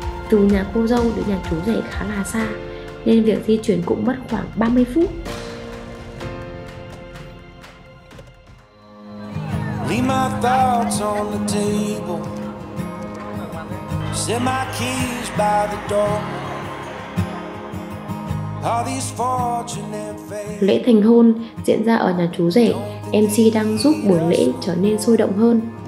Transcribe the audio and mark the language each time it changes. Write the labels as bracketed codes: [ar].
[vi] Từ nhà cô dâu đến nhà chú rể khá là xa, nên việc di chuyển cũng mất khoảng 30 phút. [en] Leave my thoughts on the table. Set my keys by the door. All these fortune and fate. [vi] Lễ thành hôn diễn ra ở nhà chú rể, MC đang giúp buổi lễ trở nên sôi động hơn.